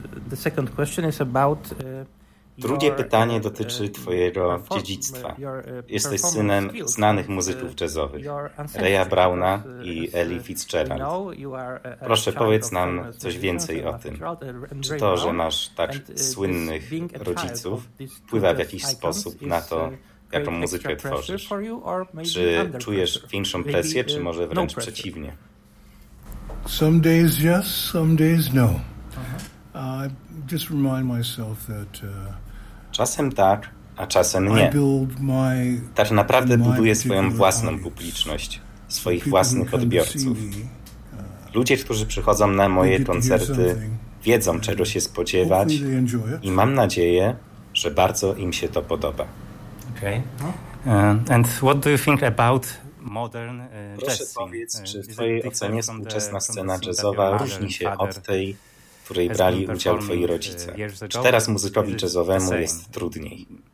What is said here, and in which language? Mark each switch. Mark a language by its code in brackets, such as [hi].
[en] The second question is about... [pl] Drugie pytanie dotyczy twojego dziedzictwa. Jesteś synem znanych muzyków jazzowych, Raya Browna i Ellie Fitzgerald. Proszę, powiedz nam coś więcej o tym. Czy to, że masz tak słynnych rodziców, wpływa w jakiś sposób na to, jaką muzykę tworzysz? Czy czujesz większą presję, czy może wręcz przeciwnie? [en] Some days yes, some days no. I just remind myself that [pl] czasem tak, a czasem nie. Tak naprawdę buduję swoją własną publiczność, swoich własnych odbiorców. Ludzie, którzy przychodzą na moje koncerty, wiedzą, czego się spodziewać i mam nadzieję, że bardzo im się to podoba. [en] Okay. And what do you think about modern jazz? [pl] Proszę powiedz, czy w twojej ocenie współczesna scena jazzowa różni się od tej, w której brali udział twoi rodzice? Czy teraz muzykowi jazzowemu jest trudniej?